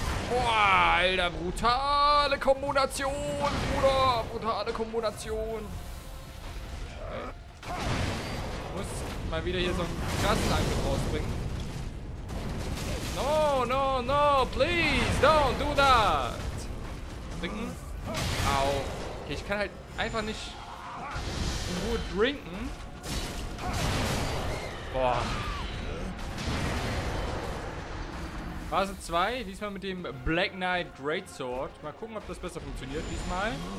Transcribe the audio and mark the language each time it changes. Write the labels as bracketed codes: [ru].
[de] Boah, Alter, brutale Kombination, Bruder. Brutale Kombination. Ich muss mal wieder hier so einen krassen Angriff rausbringen. [en] No, no, no, please, don't do that. [de] Trinken. Au. Okay, ich kann halt einfach nicht in Ruhe trinken. Boah. Phase 2, diesmal mit dem Black Knight Greatsword. Mal gucken, ob das besser funktioniert diesmal.